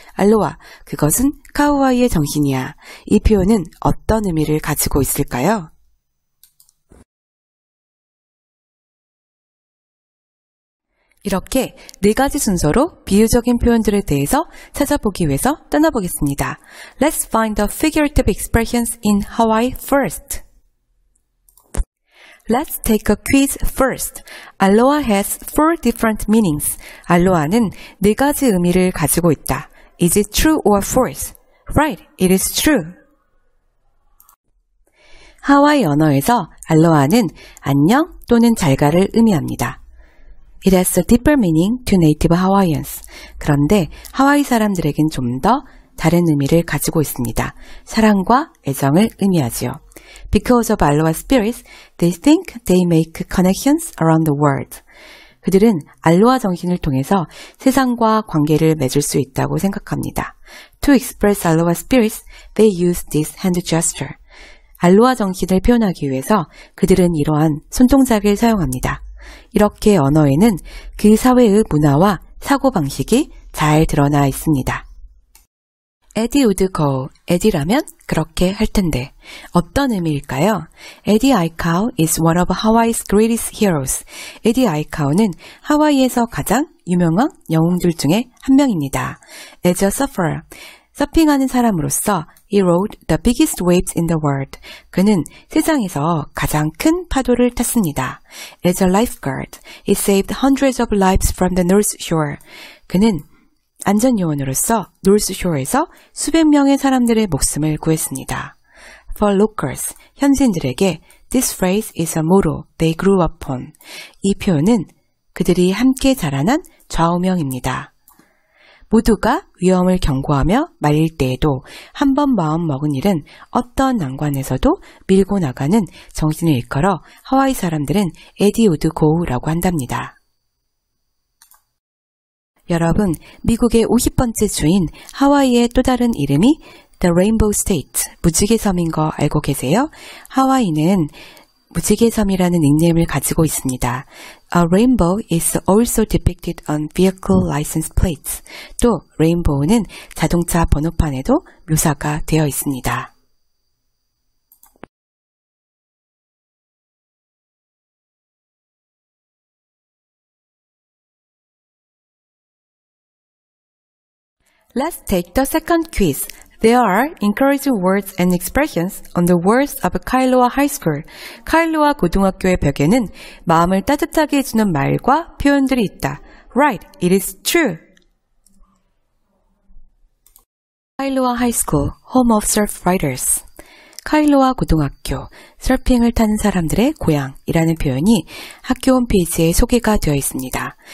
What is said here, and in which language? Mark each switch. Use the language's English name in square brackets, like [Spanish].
[Korean] 알로하, 그것은 카우아이의 정신이야. 이 표현은 어떤 의미를 가지고 있을까요? 이렇게 네 가지 순서로 비유적인 표현들에 대해서 찾아보기 위해서 떠나보겠습니다. [English] Let's find the figurative expressions in Hawaii first. Let's take a quiz first. Aloha has four different meanings. [Korean] 알로하는 네 가지 의미를 가지고 있다. [English] Is it true or false? Right, it is true. [Korean] 하와이 언어에서 알로하는 안녕 또는 잘가를 의미합니다. [English] It has a deeper meaning to native Hawaiians. [Korean] 그런데 하와이 사람들에겐 좀더 다른 의미를 가지고 있습니다. 사랑과 애정을 의미하지요. [English] Because of Aloha spirits, they think they make connections around the world. [Korean] 그들은 알로하 정신을 통해서 세상과 관계를 맺을 수 있다고 생각합니다. [English] To express Aloha spirits, they use this hand gesture. [Korean] 알로하 정신을 표현하기 위해서 그들은 이러한 손동작을 사용합니다. 이렇게 언어에는 그 사회의 문화와 사고방식이 잘 드러나 있습니다. [English] Eddie would go. [Korean] Eddie라면 그렇게 할 텐데. 어떤 의미일까요? [English] Eddie Aikau is one of Hawaii's greatest heroes. [Korean] Eddie Aikau는 하와이에서 가장 유명한 영웅들 중에 한 명입니다. [English] As a surfer, [Korean] 서핑하는 사람으로서 [English] he rode the biggest waves in the world. [Korean] 그는 세상에서 가장 큰 파도를 탔습니다. [English] As a lifeguard, he saved hundreds of lives from the North Shore. [Korean] 그는 안전요원으로서 노스쇼어에서 수백 명의 사람들의 목숨을 구했습니다. [English] For locals, [Korean] 현지인들에게 [English] This phrase is a motto they grew upon. [Korean] 이 표현은 그들이 함께 자라난 좌우명입니다. 모두가 위험을 경고하며 말릴 때에도 한번 마음 먹은 일은 어떤 난관에서도 밀고 나가는 정신을 일컬어 하와이 사람들은 에디 우드 고우라고 한답니다. 여러분, 미국의 50번째 주인 하와이의 또 다른 이름이 The Rainbow State, 무지개 섬인 거 알고 계세요? 하와이는 무지개 섬이라는 닉네임을 가지고 있습니다. [English] A rainbow is also depicted on vehicle license plates. [Korean] 또, rainbow는 자동차 번호판에도 묘사가 되어 있습니다. [English] Let's take the second quiz. There are encouraging words and expressions on the walls of Kailua High School. [Korean] 카일로아 고등학교의 벽에는 마음을 따뜻하게 해주는 말과 표현들이 있다. [English] Right, it is true. Kailua High School, home of surfriders. [Korean] 카일로아 고등학교, 서핑을 타는 사람들의 고향이라는 표현이 학교 홈페이지에 소개가 되어 있습니다.